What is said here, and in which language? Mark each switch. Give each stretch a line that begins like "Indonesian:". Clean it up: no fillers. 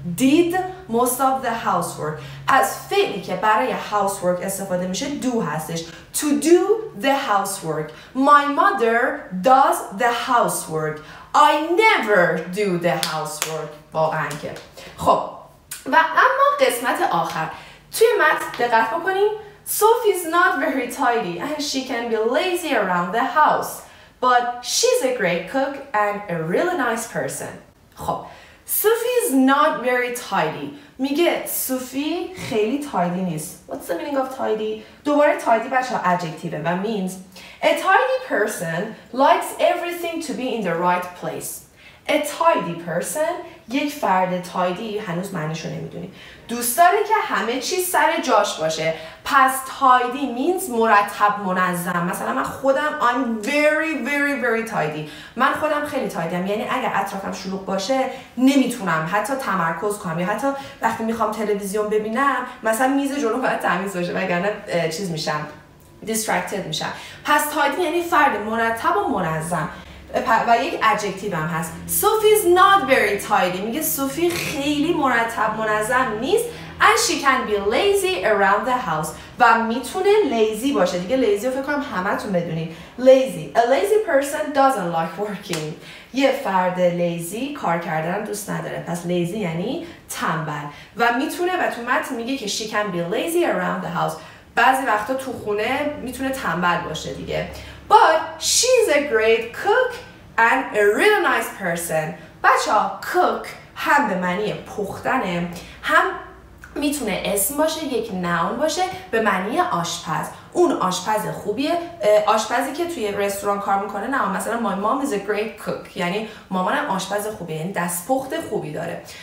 English: did most of the housework
Persian: پس فعلی که برای housework استفاده میشه do هستش.
English: to do the housework. my mother does the housework. I never do the housework.
Persian: واقعا که خب. و اما قسمت آخر توی متن دقت بکنیم.
English: Sophie's not very tidy and she can be lazy around the house but she's a great cook and a really nice person. خب Sophie is not very tidy.
Persian: میگه سوفی خیلی تایدی نیست.
English: What's the meaning of tidy?
Persian: دوباره تایدی بچه ها
English: adjective و means a tidy person likes everything to be in the right place. A tidy person
Persian: یک فرد تایدی هنوز معنیشو نمیدونی. دوست داره که همه چیز سر جاش باشه. پس تایدی means مرتب منظم. مثلا من خودم
English: I'm very very very tidy.
Persian: من خودم خیلی تایدیم. یعنی اگر اطرافم شلوغ باشه نمیتونم حتی تمرکز کنم یا حتی وقتی میخوام تلویزیون ببینم مثلا میز جلو باید تمیز باشه وگرنه چیز میشم distracted میشم. پس تایدی یعنی فرد مرتب و منظم. و یک ادجکتیو هم هست
English: Sophie's not very tidy.
Persian: میگه سوفی خیلی مرتب منظم نیست.
English: And she can be lazy around the house.
Persian: و میتونه lazy باشه. دیگه lazy رو فکر کنم همه تون بدونید.
English: Lazy. A lazy person doesn't like working.
Persian: یه فرد lazy کار کردن دوست نداره. پس lazy یعنی تنبل. و میتونه و تو متن میگه که
English: she can be lazy around the house.
Persian: بعضی وقتا تو خونه میتونه تنبل باشه دیگه.
English: But she's a great cook and a really nice person.
Persian: بچه ها cook هم به معنی پختنه هم میتونه اسم باشه یک نون باشه به معنی آشپز. اون آشپز خوبیه. آشپزی که توی رستوران کار میکنه نه مثلا
English: my mom is a great cook
Persian: یعنی مامانم آشپز خوبیه یعنی دست پخت خوبی داره.